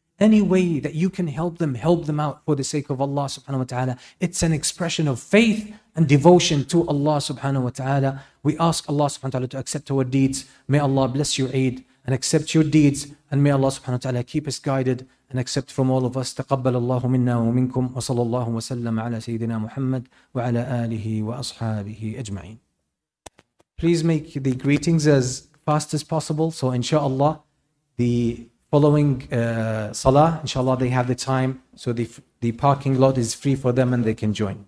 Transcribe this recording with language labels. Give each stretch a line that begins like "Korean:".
English: Any way that you can help them out for the sake of Allah subhanahu wa ta'ala. It's an expression of faith and devotion to Allah subhanahu wa ta'ala. We ask Allah subhanahu wa ta'ala to accept our deeds. May Allah bless your Eid and accept your deeds. And may Allah subhanahu wa ta'ala keep us guided and accept from all of us.
Arabic: تقبل الله منا ومنكم وصلى الله وسلم على سيدنا محمد وعلى آله وأصحابه أجمعين.
English: Please make the greetings as fast as possible. So inshallah, the following salah, inshallah they have the time. So the parking lot is free for them and they can join.